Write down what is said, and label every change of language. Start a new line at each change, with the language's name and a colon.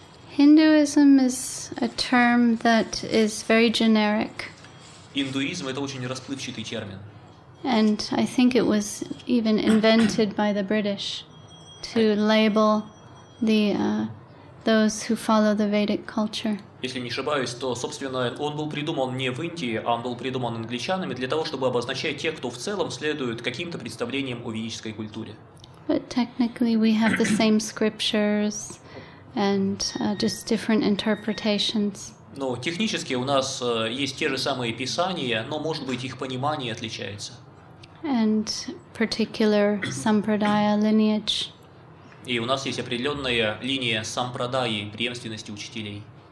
English: Hinduism is a term that is very generic. Hinduism is a very
Russian: расплывчатый термин.
English: And I think it was even invented by the British to label the those who follow the Vedic culture.
Russian: Если не ошибаюсь, то, собственно, он был придуман не в Индии, а он был придуман англичанами для того, чтобы обозначать тех, кто в целом следует каким-то представлениям о ведической культуре.
English: But technically we have the same scriptures and just different interpretations.
Russian: Но технически у нас есть те же самые писания, но, может быть, их понимание отличается.
English: And particular sampradaya lineage.
Russian: И у нас есть определенная линия сампрадаи, преемственности учителей.